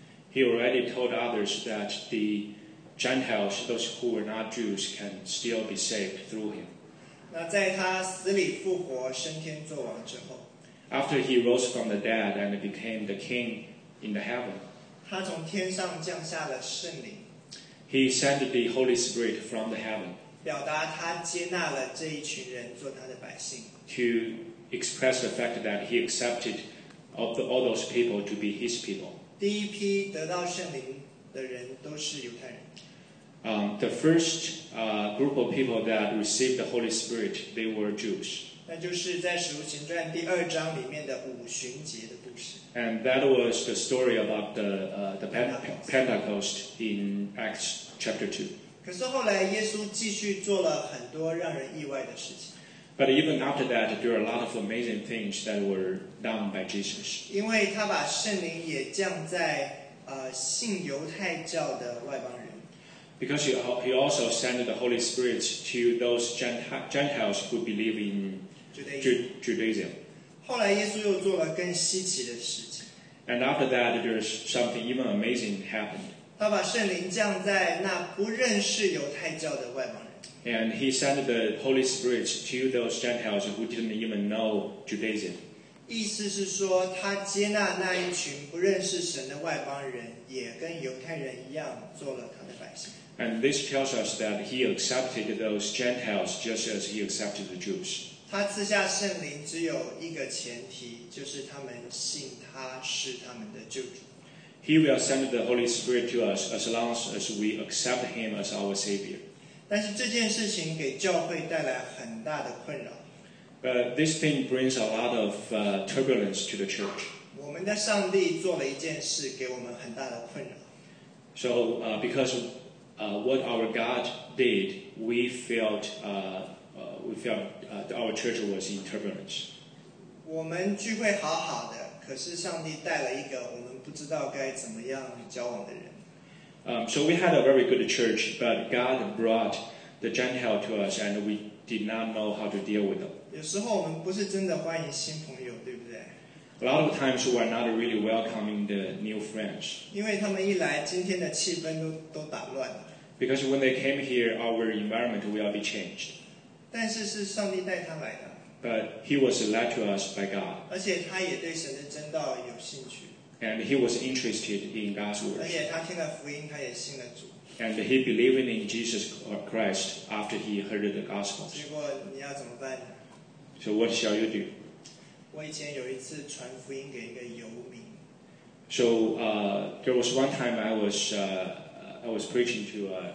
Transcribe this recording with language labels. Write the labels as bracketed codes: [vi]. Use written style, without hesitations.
[en] He already told others that the Gentiles, those who were not Jews, can still be saved through him. [zh] 那在他死里复活升天作王之后， [en] After he rose from the dead and became the king in the heaven, [zh] 他从天上降下了圣灵， [en] He sent the Holy Spirit from the heaven, [zh] 表达他接纳了这一群人做他的百姓， [en] To express the fact that he accepted of all those people to be his people. [zh] 第一批得到圣灵的人都是犹太人。 [en] The first group of people that received the Holy Spirit, they were Jews. [zh] 那就是在《使徒行传》第二章里面的五旬节的故事。 [en] And that was the story about the Pentecost in Acts chapter 2. [zh] 可是后来耶稣继续做了很多让人意外的事情。 [en] But even after that, there are a lot of amazing things that were done by Jesus. [zh] 因为他把圣灵也降在信犹太教的外邦人。 [en] Because he also sent the Holy Spirit to those Gentiles who believe in Judaism. [zh] 后来耶稣又做了更稀奇的事情。 [en] And after that, there's something even amazing happened. [zh] 他把圣灵降在那不认识犹太教的外邦人。 [en] And he sent the Holy Spirit to those Gentiles who didn't even know Judaism. [zh] 意思是说，他接纳那一群不认识神的外邦人，也跟犹太人一样做了他的百姓。 [en] And this tells us that he accepted those Gentiles just as he accepted the Jews. [zh] 他赐下圣灵只有一个前提，就是他们信他是他们的救主。 [en] He will send the Holy Spirit to us as long as we accept him as our Savior. [zh] 但是这件事情给教会带来很大的困扰。 [en] But this thing brings a lot of turbulence to the church. [zh] 我们的上帝做了一件事给我们很大的困扰。 [en] So, because what our God did, we felt our church was in turbulence. [zh] 我们聚会好好的，可是上帝带了一个我们不知道该怎么样交往的人。 [en] So we had a very good church, but God brought the Gentile to us, and we did not know how to deal with them. [zh] 有时候我们不是真的欢迎新朋友，对不对？ [en] A lot of times we are not really welcoming the new friends. [zh] 因为他们一来，今天的气氛都打乱了。 [en] Because when they came here, our environment will be changed. [zh] 但是是上帝带他来的。 [en] But he was led to us by God. [zh] 而且他也对神的真道有兴趣。 [en] And he was interested in God's word. [zh] 而且他听了福音，他也信了主。 [en] And he believed in Jesus Christ after he heard the gospel. [zh] 结果你要怎么办呢？ [en] So what shall you do? [zh] 我以前有一次传福音给一个游民。 [en] So there was one time I was preaching to